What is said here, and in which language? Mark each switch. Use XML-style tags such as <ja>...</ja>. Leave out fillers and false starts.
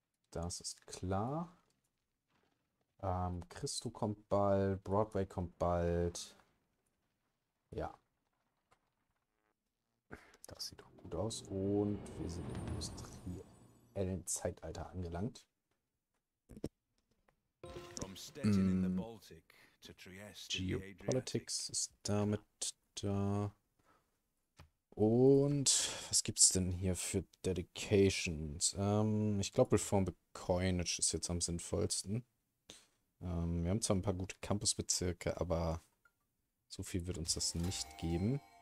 <de>Das ist klar. Christo kommt bald, Broadway kommt bald. Ja. Das sieht auch gut aus. Und wir sind im industriellen Zeitalter angelangt.</de> <en>From Stettin in the Baltic to Trieste in the Geopolitics Adriatic.</en> <de>ist damit da. Und was gibt es denn hier für Dedications? Ich glaube, Reform Coinage ist jetzt am sinnvollsten. Wir haben zwar ein paar gute Campusbezirke, aber so viel wird uns das nicht geben.</de>